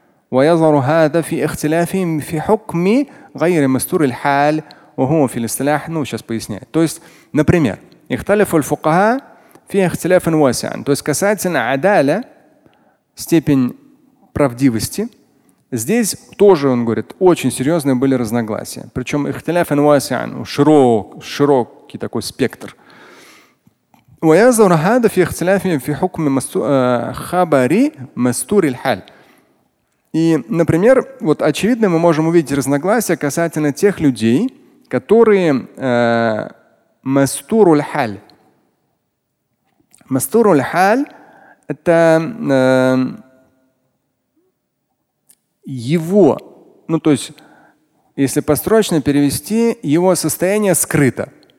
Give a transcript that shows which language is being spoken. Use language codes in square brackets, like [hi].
[ar] ويظهر هذا في اختلافهم في حكم غير مستور الحال وهو في الاصطلاح [ru] ну сейчас поясняю. То есть, например, [ar] اختلف الفقهاء في اختلاف واسع. [ru] То есть касательно адала, степень правдивости, здесь тоже, он говорит, очень серьезные были разногласия. Причем [ar] اختلاف واسع, [ru] широкий такой спектр. [ar] ويظهر هذا في اختلافهم في حكم خبر مستور الحال. [ru] И, например, вот очевидно, мы можем увидеть разногласия касательно тех людей, которые мастуруль-халь. Мастуруль-халь – это его, ну то есть, если построчно перевести, его состояние скрыто.